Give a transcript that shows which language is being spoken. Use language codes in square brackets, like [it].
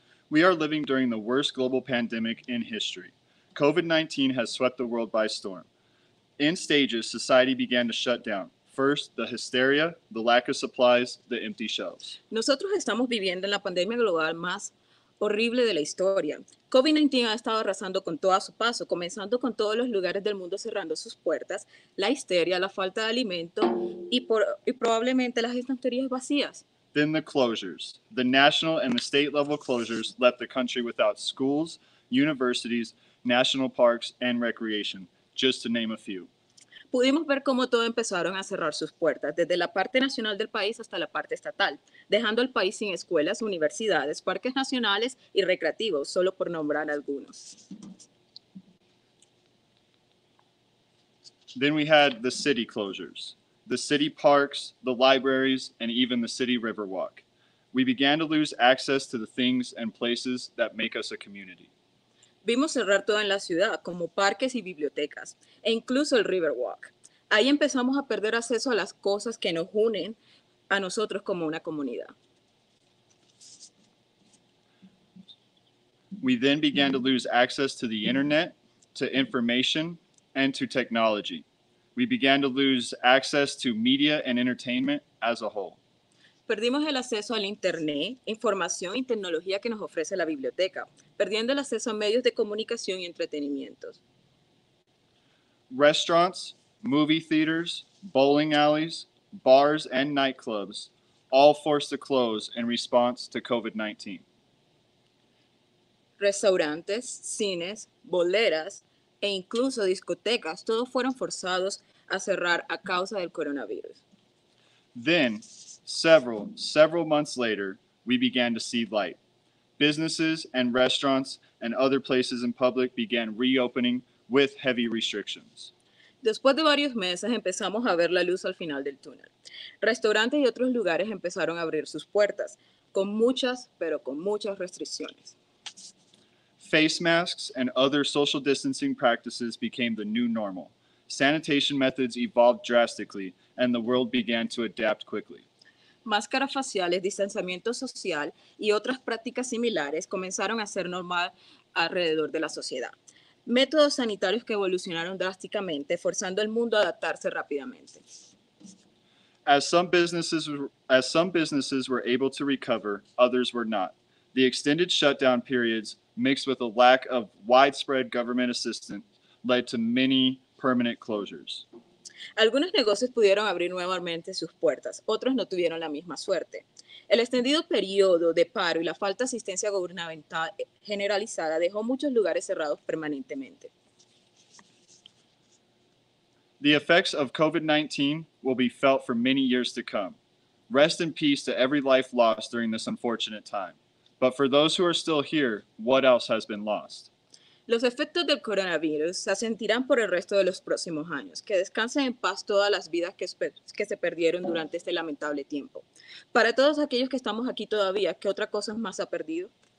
[en] We are living during the worst global pandemic in history. COVID-19 has swept the world by storm. In stages, society began to shut down. First, the hysteria, the lack of supplies, the empty shelves. [es] Nosotros estamos viviendo en la pandemia global más horrible de la historia. COVID-19 ha estado arrasando con todo a su paso, comenzando con todos los lugares del mundo cerrando sus puertas, la histeria, la falta de alimento y probablemente las estanterías vacías. [en] Then the closures. The national and the state level closures left the country without schools, universities, national parks, and recreation, just to name a few. [es] Pudimos ver cómo todo empezaron a cerrar sus puertas, desde la parte nacional del país hasta la parte estatal, dejando al país sin escuelas, universidades, parques nacionales y recreativos, solo por nombrar algunos. [en] Then we had the city closures, the city parks, the libraries, and even the city riverwalk. We began to lose access to the things and places that make us a community. [es] Vimos cerrar todo en la ciudad, como parques y bibliotecas, e incluso el Riverwalk. Ahí empezamos a perder acceso a las cosas que nos unen a nosotros como una comunidad. [en] We then began to lose access to the internet, to information, and to technology. We began to lose access to media and entertainment as a whole. [es] Perdimos el acceso al internet, información y tecnología que nos ofrece la biblioteca, perdiendo el acceso a medios de comunicación y entretenimientos. [en] Restaurants, movie theaters, bowling alleys, bars and nightclubs, all forced to close in response to COVID-19. [es] Restaurantes, cines, boleras e incluso discotecas, todos fueron forzados a cerrar a causa del coronavirus. [en] Then, several months later, we began to see light. Businesses and restaurants and other places in public began reopening with heavy restrictions. [es] Después de varios meses, empezamos a ver la luz al final del túnel. Restaurantes y otros lugares empezaron a abrir sus puertas, con muchas, pero con muchas restricciones. [en] Face masks and other social distancing practices became the new normal. Sanitation methods evolved drastically, and the world began to adapt quickly. [es] Máscaras faciales, distanciamiento social y otras prácticas similares comenzaron a ser normal alrededor de la sociedad. Métodos sanitarios que evolucionaron drásticamente, forzando al mundo a adaptarse rápidamente. [en] As some businesses were able to recover, others were not. the extended shutdown periods mixed with a lack of widespread government assistance led to many permanent closures. [es] Algunos negocios pudieron abrir nuevamente sus puertas, otros no tuvieron la misma suerte. El extendido periodo de paro y la falta de asistencia gubernamental generalizada dejó muchos lugares cerrados permanentemente. [en] The effects of COVID-19 will be felt for many years to come. Rest in peace to every life lost during this unfortunate time. But for those who are still here, what else has been lost? [es] Los efectos del coronavirus se sentirán por el resto de los próximos años. Que descansen en paz todas las vidas que se perdieron durante este lamentable tiempo. Para todos aquellos que estamos aquí todavía, ¿qué otra cosa más ha perdido?